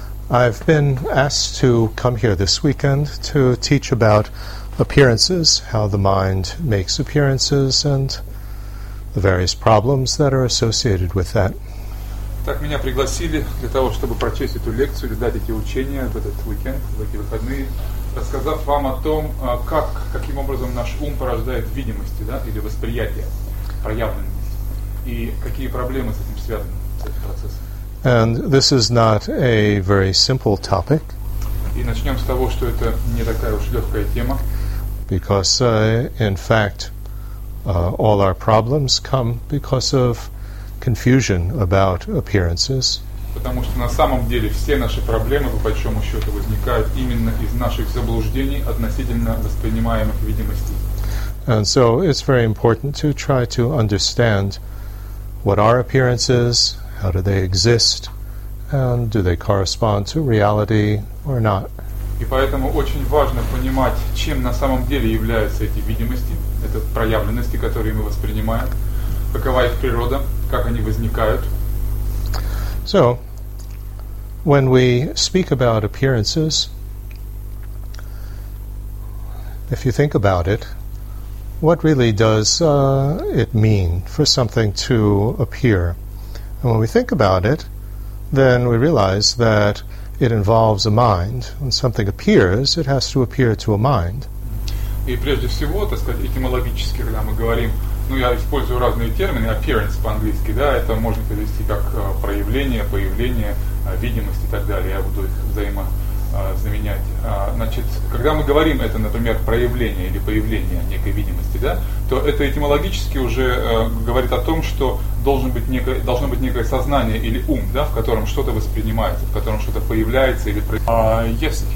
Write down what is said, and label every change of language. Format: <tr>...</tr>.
<en>I've been asked to come here this weekend to teach about appearances, how the mind makes appearances, and the various problems that are associated with that.</en> <ru>Так меня пригласили для того, чтобы прочесть эту лекцию или дать эти учения в этот weekend, в эти выходные, рассказав вам о том, как, каким образом наш ум порождает видимости, да, или восприятие, проявленность, и какие проблемы с этим связаны, с этим процессом.</ru> <en>And this is not a very simple topic.</en> <ru>И начнем с того, что это не такая уж легкая тема.</ru> <en>Because, in fact, all our problems come because of confusion about appearances.</en> <ru>Потому что на самом деле все наши проблемы, по большому счету, возникают именно из наших заблуждений относительно воспринимаемых видимостей.</ru> <en>And so it's very important to try to understand what are appearances, how do they exist, and do they correspond to reality or not.</en> <ru>И поэтому очень важно понимать, чем на самом деле являются эти видимости, это проявленности, которые мы воспринимаем, какова их природа, как они возникают.</ru> <en>So, when we speak about appearances, if you think about it, what really does it mean for something to appear? And when we think about it, then we realize that it involves a mind. When something appears, it has to appear to a mind.</en> <ru>И прежде всего, так сказать, этимологически, когда мы говорим, ну, я использую разные термины, appearance по-английски, да, это можно перевести как проявление, появление, видимость и так далее, я буду их взаимозаменять. Значит, когда мы говорим это, например, проявление или появление некой видимости, да, то это этимологически уже говорит о том, что должно быть некое сознание или ум, да, в котором что-то воспринимается, в котором что-то появляется или проявляется.</ru>